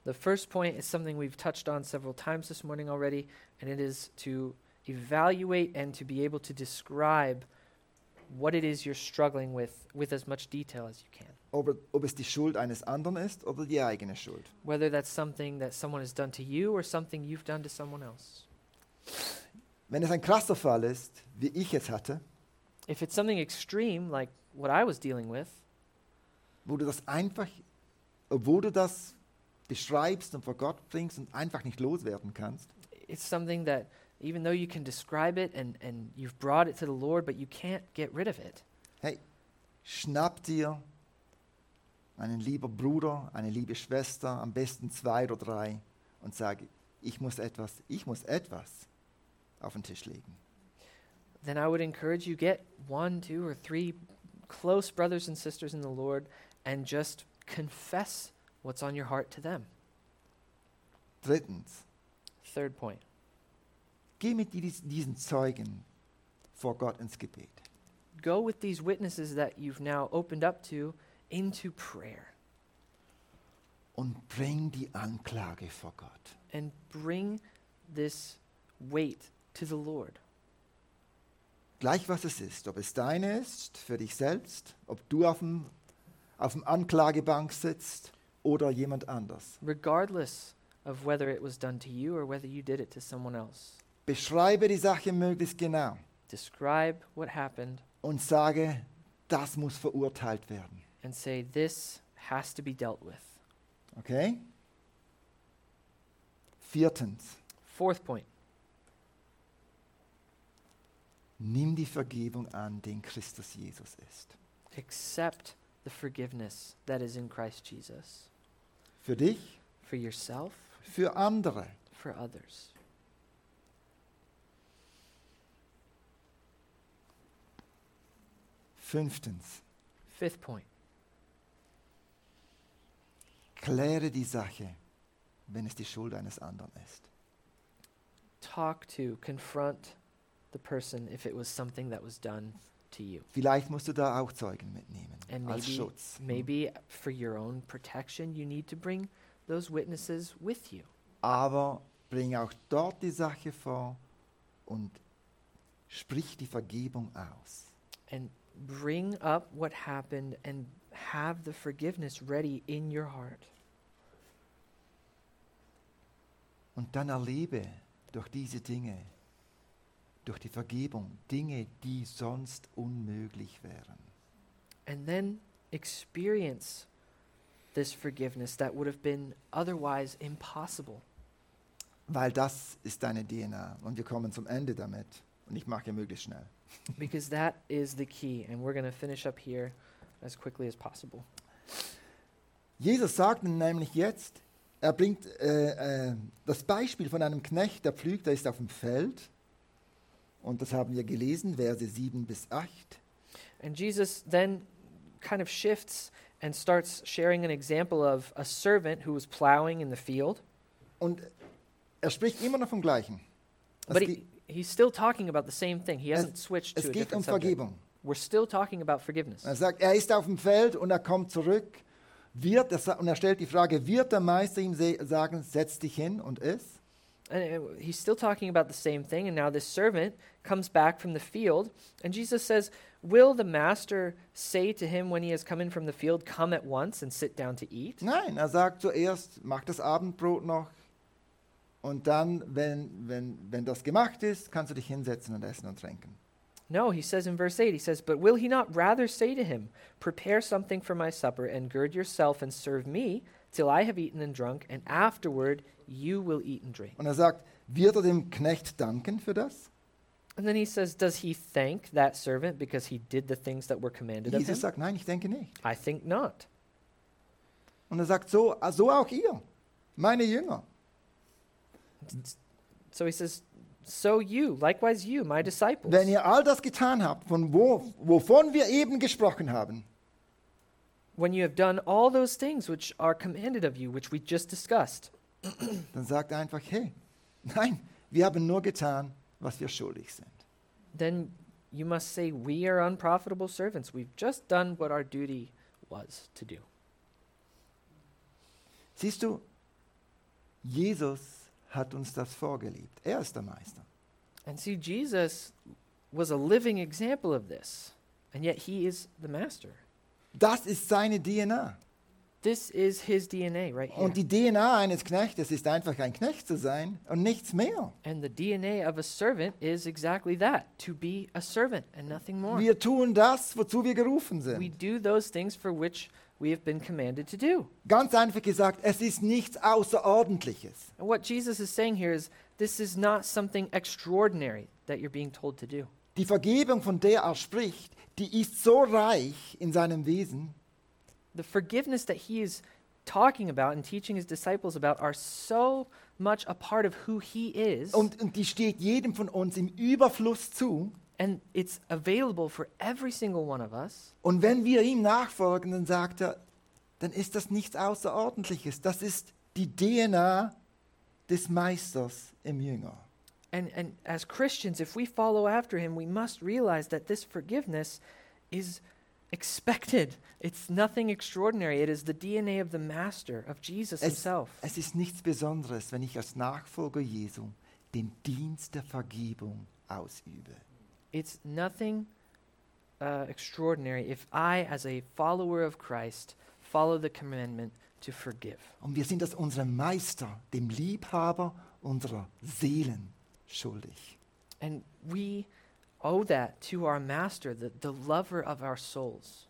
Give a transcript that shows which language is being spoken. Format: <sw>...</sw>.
<en>The first point is something we've touched on several times this morning already, and it is to evaluate and to be able to describe what it is you're struggling with as much detail as you can.</en> <de>Ob es die Schuld eines anderen ist oder die eigene Schuld.</de> <en>Whether that's something that someone has done to you or something you've done to someone else.</en> <de>Wenn es ein krasser Fall ist, wie ich es hatte,</de> <en>if it's something extreme, like what I was dealing with,</en> <de>wo du das einfach, obwohl du das beschreibst und vor Gott bringst und einfach nicht loswerden kannst,</de> <en>it's something that even though you can describe it and you've brought it to the Lord, but you can't get rid of it.</en> <de>Hey, schnapp dir einen lieben Bruder, eine liebe Schwester, am besten zwei oder drei und sag, ich muss etwas auf den Tisch legen.</de> <en>Then I would encourage you, get one, two, or three close brothers and sisters in the Lord and just confess what's on your heart to them.</en> <de>Drittens.</de> <en>Third point.</en> <de>Geh mit diesen Zeugen vor Gott ins Gebet.</de> <en>Go with these witnesses that you've now opened up to into prayer.</en> <de>Und bring die Anklage vor Gott.</de> <en>And bring this weight to the Lord.</en> <de>Gleich was es ist, ob es deine ist, für dich selbst, ob du auf dem Anklagebank sitzt oder jemand anders.</de> <en>Regardless of whether it was done to you or whether you did it to someone else.</en> <de>Beschreibe die Sache möglichst genau.</de> <en>Describe what happened.</en> <de>Und sage, das muss verurteilt werden.</de> <en>And say, this has to be dealt with. Okay?</en> <de>Viertens.</de> <en>Fourth point.</en> <de>Nimm die Vergebung an, den Christus Jesus ist.</de> <en>Accept the forgiveness that is in Christ Jesus.</en> <de>Für dich.</de> <en>For yourself.</en> <de>Für andere.</de> <en>For others.</en> <de>Fünftens.</de> <en>Fifth point.</en> <de>Kläre die Sache, wenn es die Schuld eines anderen ist.</de> <en>Talk to, confront the person if it was something that was done to you.</en> <de>Vielleicht musst du da auch Zeugen mitnehmen,</de> <en>and maybe,</en> <de>als Schutz.</de> <en>Maybe for your own protection you need to bring those witnesses with you.</en> <de>Aber bring auch dort die Sache vor und sprich die Vergebung aus.</de> <en>And bring up what happened and have the forgiveness ready in your heart.</en> <de>Und dann erlebe durch diese Dinge, durch die Vergebung, Dinge, die sonst unmöglich wären.</de> <en>And then experience this forgiveness that would have been otherwise impossible.</en> <de>Weil das ist deine DNA und wir kommen zum Ende damit und ich mache möglichst schnell.</de> <en>Because that is the key and we're going to finish up here as quickly as possible.</en> <de>Jesus sagt nämlich jetzt, er bringt das Beispiel von einem Knecht, der pflügt, der ist auf dem Feld. Und das haben wir gelesen, Verse 7 bis 8.</de> <en>And Jesus then kind of shifts and starts sharing an example of a servant who was plowing in the field.</en> <de>Und er spricht immer noch vom Gleichen.</de> <en>But he's still talking about the same thing. He hasn't switched to a different subject.</en> <de>Es geht um Vergebung.</de> <en>We're still talking about forgiveness.</en> <de>Er sagt, er ist auf dem Feld und er kommt zurück. Und er stellt die Frage, wird der Meister ihm sagen, setz dich hin und iss?</de> <en>And he's still talking about the same thing. And now this servant comes back from the field. And Jesus says, will the master say to him when he has come in from the field, come at once and sit down to eat?</en> <de>Nein, er sagt zuerst, mach das Abendbrot noch. Und dann, wenn das gemacht ist, kannst du dich hinsetzen und essen und trinken.</de> <en>No, he says in verse 8, he says, but will he not rather say to him, prepare something for my supper and gird yourself and serve me till I have eaten and drunk and afterward you will eat and drink.</en> <de>Und er sagt, wird er dem Knecht danken für das?</de> <en>And then he says, does he thank that servant because he did the things that were commanded Jesus of him?</en> <de>Jesus sagt, nein, ich denke nicht.</de> <en>I think not.</en> <de>Und er sagt, so auch ihr, meine Jünger.</de> <en>So he says, so you, likewise you, my disciples.</en> <de>Wenn ihr all das getan habt, wovon wir eben gesprochen haben,</de> <en>when you have done all those things which are commanded of you, which we just discussed,</en> <de>dann sagt einfach, hey, nein, wir haben nur getan, was wir schuldig sind.</de> <en>Then You must say, we are unprofitable servants. We've just done what our duty was to do.</en> <de>Siehst du, Jesus hat uns das vorgelebt. Er ist der Meister.</de> <en>And see, Jesus was a living example of this. And yet he is the master.</en> <de>Das ist seine DNA.</de> <en>This is his DNA right here.</en> <de>Und die DNA eines Knechtes ist einfach ein Knecht zu sein und nichts mehr.</de> <en>And the DNA of a servant is exactly that, to be a servant and nothing more.</en> <de>Wir tun das, wozu wir gerufen sind.</de> <en>We do those things for which we have been commanded to do.</en> <de>Ganz einfach gesagt, es ist nichts Außerordentliches.</de> <en>And what Jesus is saying here is, this is not something extraordinary that you're being told to do.</en> <de>Die Vergebung, von der er spricht, die ist so reich in seinem Wesen.</de> <en>The forgiveness that he is talking about and teaching his disciples about are so much a part of who he is.</en> <de>Und die steht jedem von uns im Überfluss zu.</de> <en>And it's available for every single one of us.</en> <de>Und wenn wir ihm nachfolgen, dann sagt er, dann ist das nichts Außerordentliches. Das ist die DNA des Meisters im Jünger.</de> <en>And as Christians, if we follow after him, we must realize that this forgiveness is expected. It's nothing extraordinary. It is the DNA of the master, of Jesus himself.</en> <de>Es ist nichts Besonderes, wenn ich als Nachfolger Jesu den Dienst der Vergebung ausübe.</de> <en>It's nothing extraordinary if I, as a follower of Christ, follow the commandment to forgive.</en> <de>Und wir sind das unserem Meister, dem Liebhaber unserer Seelen, schuldig.</de> <en>And we owe that to our master, the lover of our souls.</en>